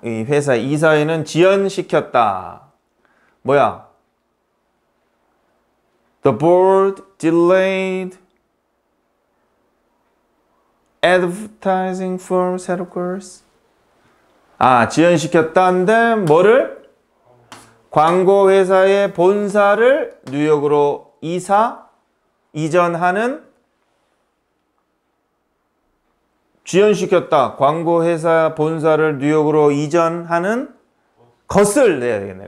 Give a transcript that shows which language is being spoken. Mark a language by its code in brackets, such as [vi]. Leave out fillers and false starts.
[ko] 이 회사 이사회는 지연시켰다. 뭐야? [en] The board delayed advertising for headquarters. [ko] 아, 지연시켰다는데 뭐를? 광고 회사의 본사를 뉴욕으로 이전하는 지연시켰다. 광고 회사 본사를 뉴욕으로 이전하는 것을 내야 되겠네.